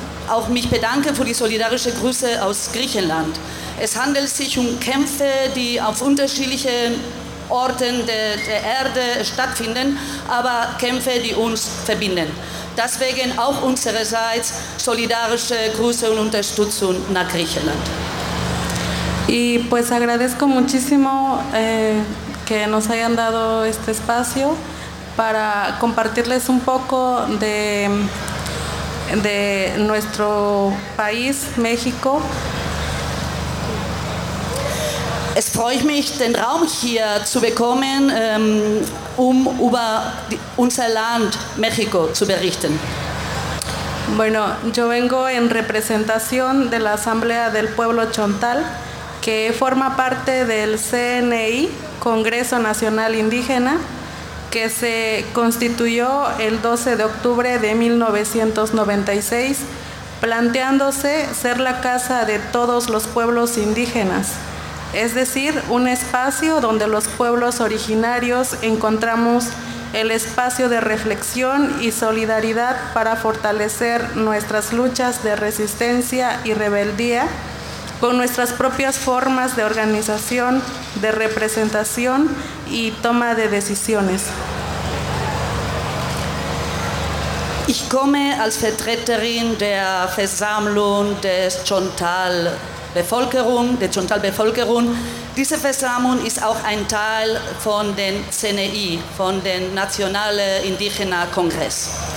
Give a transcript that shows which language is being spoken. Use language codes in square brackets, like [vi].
[de] Auch mich bedanken für die solidarische Grüße aus Griechenland. Es handelt sich um Kämpfe, die auf unterschiedlichen Orten der Erde stattfinden, aber Kämpfe, die uns verbinden. Deswegen auch unsererseits solidarische Grüße und Unterstützung nach Griechenland. [es] Y pues agradezco muchísimo que nos hayan dado este espacio para compartirles un poco de nuestro país, México. [de] Es freut mich, den Raum hier zu bekommen, um über unser Land, México, zu berichten. [es] Bueno, yo vengo en representación de la Asamblea del Pueblo Chontal, que forma parte del CNI, Congreso Nacional Indígena, que se constituyó el 12 de octubre de 1996, planteándose ser la casa de todos los pueblos indígenas, es decir, un espacio donde los pueblos originarios encontramos el espacio de reflexión y solidaridad para fortalecer nuestras luchas de resistencia y rebeldía con nuestras propias formas de organización, de representación y toma de decisiones. [de] Ich komme als Vertreterin der Versammlung des Chontal-Bevölkerung, der Chontal-Bevölkerung. Diese Versammlung ist auch ein Teil von den CNI, von dem Nationalen Indigenen Kongress.